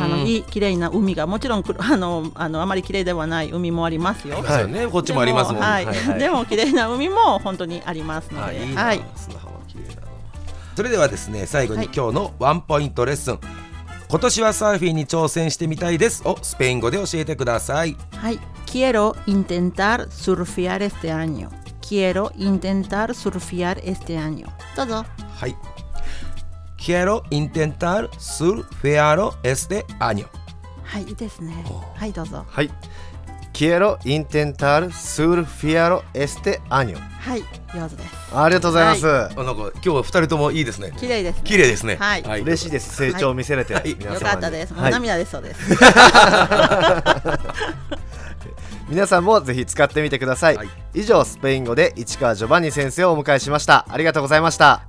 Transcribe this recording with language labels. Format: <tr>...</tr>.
<ja>あの綺麗な海が、もちろんあのあまり綺麗ではない海もありますよ。はい、ね、こっちもありますもん。でも、はいはい、でも綺麗な海も本当にありますので。はい、いいな、砂浜綺麗なの。それではですね、最後に今日のワンポイントレッスン、はい、今年はサーフィンに挑戦してみたいですをスペイン語で教えてください。</ja> <es>はい、 Quiero intentar surfear este año. Quiero intentar surfear este año.</es> <ja>どうぞ。</ja> <es>はい、 Quiero intentar surfear este año.</es> <ja>はい、いいですね。はい、どうぞ。</ja> <es>はい、 Quiero intentar surfear este año.</es> <ja>はい、上手です。ありがとうございます、はい、なんか今日は2人ともいいですね。綺麗ですね。綺麗ですね、はいはい、嬉しいです、成長を見せれて、はい、皆様に。よかったです、もう涙出そうです。はい、皆さんもぜひ使ってみてください、はい、以上、スペイン語で市川ジョバンニ先生をお迎えしました。ありがとうございました。</ja>